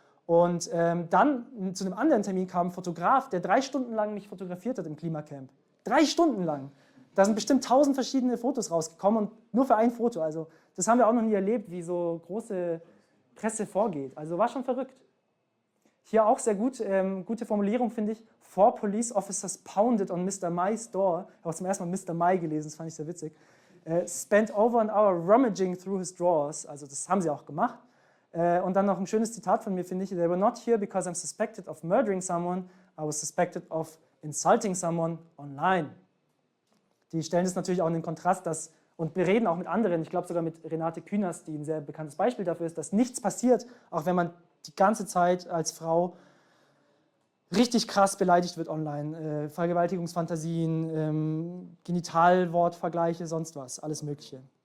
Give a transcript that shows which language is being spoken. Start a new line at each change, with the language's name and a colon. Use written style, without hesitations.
German: Und dann zu einem anderen Termin kam ein Fotograf, der 3 Stunden lang mich fotografiert hat im Klimacamp. 3 Stunden lang. Da sind bestimmt 1000 verschiedene Fotos rausgekommen und nur für ein Foto. Also das haben wir auch noch nie erlebt, wie so große Presse vorgeht. Also war schon verrückt. Hier auch sehr gut, gute Formulierung finde ich.
English: 4 police officers pounded on Mr. Mai's door.
German: Ich habe zum ersten Mal Mr. Mai gelesen, das fand ich sehr witzig.
English: Spent over an hour rummaging through his drawers.
German: Also das haben sie auch gemacht. Und dann noch ein schönes Zitat von mir, finde ich.
English: They were not here because I'm suspected of murdering someone. I was suspected of insulting someone online.
German: Die stellen das natürlich auch in den Kontrast, dass, und reden auch mit anderen. Ich glaube sogar mit Renate Künast, die ein sehr bekanntes Beispiel dafür ist, dass nichts passiert, auch wenn man die ganze Zeit als Frau richtig krass beleidigt wird online. Vergewaltigungsfantasien, Genitalwortvergleiche, sonst was, alles Mögliche.